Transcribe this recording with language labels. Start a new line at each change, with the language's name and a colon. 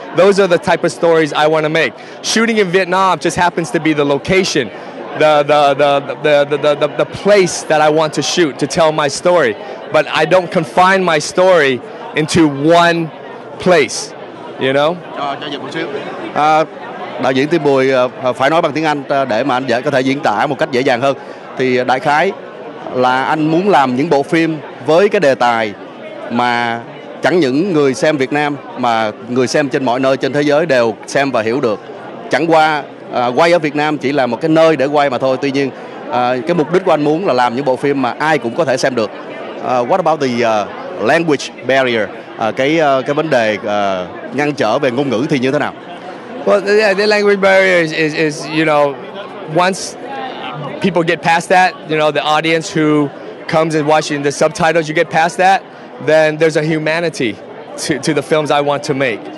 English: Those are the type of stories I want to make. Shooting in Vietnam just happens to be the location, the place that I want to shoot to tell my story. But I don't confine my story into one place, you know?
Vietnamese: Đạo diễn Tim Bùi phải nói bằng tiếng Anh để mà anh dễ có thể diễn tả một cách dễ dàng hơn. Thì đại khái là anh muốn làm những bộ phim với cái đề tài mà chẳng những người xem Việt Nam mà người xem trên mọi nơi trên thế giới đều xem và hiểu được. Chẳng qua quay ở Việt Nam chỉ là một cái nơi để quay mà thôi. Tuy nhiên cái mục đích của anh muốn là làm những bộ phim mà ai cũng có thể xem được.
English: What about the language barrier?
Vietnamese: Cái vấn đề ngăn trở về ngôn ngữ thì như thế nào?
English: Well, yeah, the language barrier is, you know, once people get past that, you know, the audience who comes and watching the subtitles, you get past that, then there's a humanity to the films I want to make.